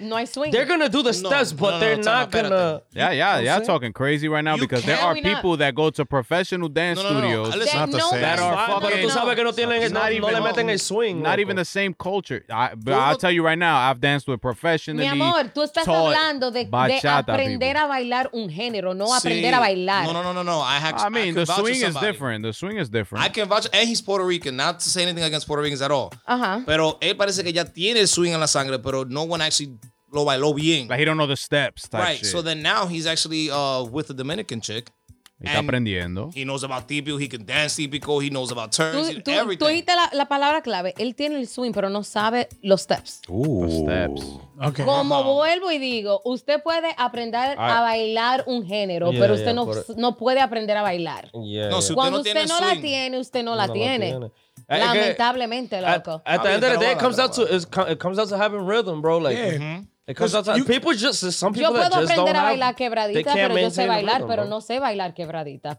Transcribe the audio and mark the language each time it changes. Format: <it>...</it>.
<en>no, I swing. They're gonna do the steps, but they're not gonna. Y'all talking crazy right now because there are people that go to professional dance studios that are fucking not even the same culture. I'll tell you right now, I've danced with professionally.</en> <es>Mi amor, tú estás hablando de aprender a bailar un género, no aprender a bailar.</es> <en>No. I mean, the swing is different. The swing is different. I can vouch, and he's Puerto Rican now. Not to say anything against Puerto Ricans at all. Uh-huh.</en> <es>Pero él parece que ya tiene swing en la sangre, pero</es> <en>no one actually</en> <es>lo bailó bien.</es> <en>Like he don't know the steps type right, shit. So then now he's actually with a Dominican chick.</en> <es>Está aprendiendo.</es> <en>He knows about típico, he can dance típico, he knows about turns, everything.</en> <es>Tú dijiste la palabra clave. Él tiene el swing, pero no sabe los steps.</es> <en>Okay.</en> <es>Como vuelvo y digo, usted puede aprender a bailar un género, pero usted no puede aprender a bailar. Cuando usted no la tiene, usted no la tiene. Lamentablemente, loco.</es> <en>At the end of the day, it comes down to having rhythm, bro. Like, yeah. Mm-hmm. It comes down to people just some people.</en> <es>Yo puedo</es> <en>that just</en> <es>aprender</es> <en>don't</en> <es>a bailar</es> <en>have,</en> <es>quebradita, pero yo sé bailar, rhythm, pero bro. No sé bailar quebradita.</es>